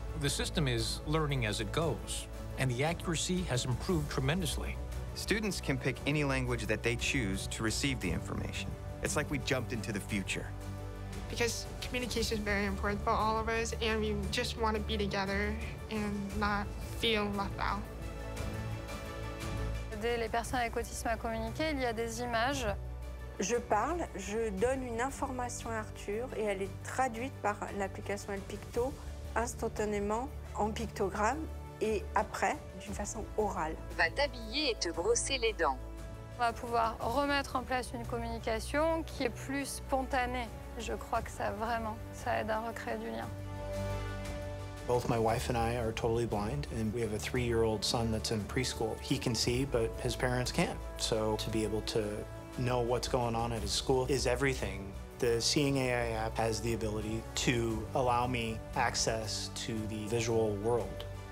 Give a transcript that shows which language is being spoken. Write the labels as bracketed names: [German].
[English] The system is learning as it goes, and the accuracy has improved tremendously. Students can pick any language that they choose to receive the information. It's like we jumped into the future. Because communication is very important for all of us, and we just want to be together and not feel left out. [French] Aider les personnes avec autisme à communiquer, il y a des images. Je parle, je donne une information à Arthur, et elle est traduite par l'application El Picto instantanément en pictogramme, et après, d'une façon orale. Va t'habiller et te brosser les dents. On va pouvoir remettre en place une communication qui est plus spontanée. Je crois que ça, vraiment, ça aide à recréer du lien. [English] Both my wife and I are totally blind, and we have a three-year-old son that's in preschool. He can see, but his parents can't. So to be able to know what's going on at his school is everything. The Seeing AI app has the ability to allow me access to the visual world.